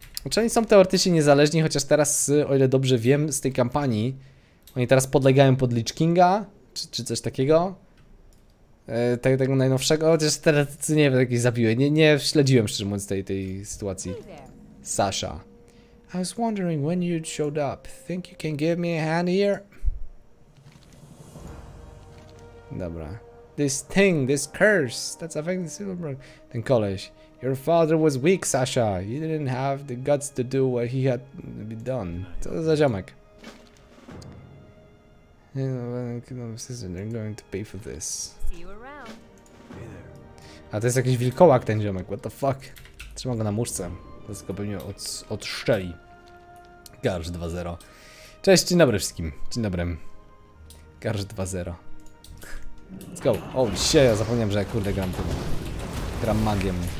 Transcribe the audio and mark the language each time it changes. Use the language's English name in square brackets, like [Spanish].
[Polish] Czy oni są teoretycznie niezależni, chociaż teraz, o ile dobrze wiem z tej kampanii, oni teraz podlegają pod Lich Kinga, czy coś takiego? Tego najnowszego, chociaż teraz nie wiem, jakieś zabiły, nie śledziłem szczerze mówiąc tej sytuacji. Sasha. [English] I was wondering when you'd showed up. Think you can give me a hand here? [Polish] Dobra. [English] This thing, this curse, that's affecting Silverbrook. [Polish] Ten koleś. [English] Your father was weak, Sasha. He didn't have the guts to do what he had been done. [Polish] Co to za ziomek? [English] They're going to pay for this. [Polish] A to jest jakiś wilkołak ten ziomek, [English] what the fuck? [Polish] Trzyma go na muszce. To jest go pewnie od szczeli. Garż 2.0. Cześć, dzień dobry wszystkim. Dzień dobry. Garż 2.0. [English] Let's go. Oh shit, [Polish] ja zapomniałem, że kurde gram tym. Gram magiem.